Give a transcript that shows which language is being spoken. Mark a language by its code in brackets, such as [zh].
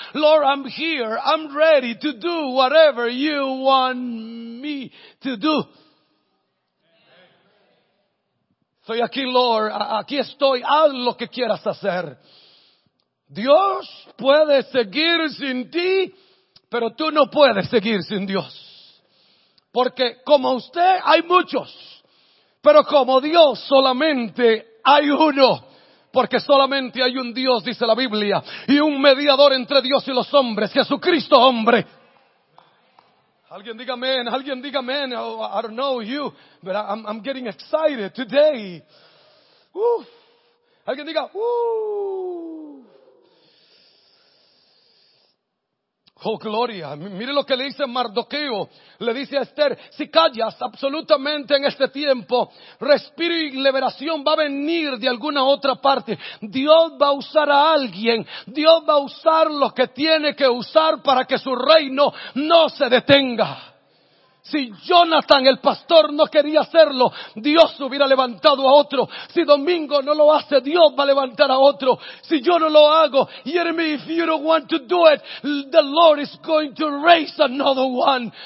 [en] Lord, I'm here, I'm ready to do whatever you want me to do. [es] Soy aquí, Lord, aquí estoy, haz lo que quieras hacer. Dios puede seguir sin ti, pero tú no puedes seguir sin Dios. Porque como usted hay muchos, pero como Dios solamente hay uno. Porque solamente hay un Dios, dice la Biblia, y un mediador entre Dios y los hombres, Jesucristo hombre. Alguien diga amén, alguien diga amén. [en] Oh, I don't know you, but I'm getting excited today. [es] Uf. Alguien diga, oh, gloria. Mire lo que le dice Mardoqueo. Le dice a Esther, si callas absolutamente en este tiempo, respiro y liberación va a venir de alguna otra parte. Dios va a usar a alguien. Dios va a usar lo que tiene que usar para que su reino no se detenga. Si Jonathan, el pastor, no quería hacerlo, Dios hubiera levantado a otro. Si Domingo no lo hace, Dios va a levantar a otro. Si yo no lo hago, [en] Jeremy, if you don't want to do it, the Lord is going to raise another one.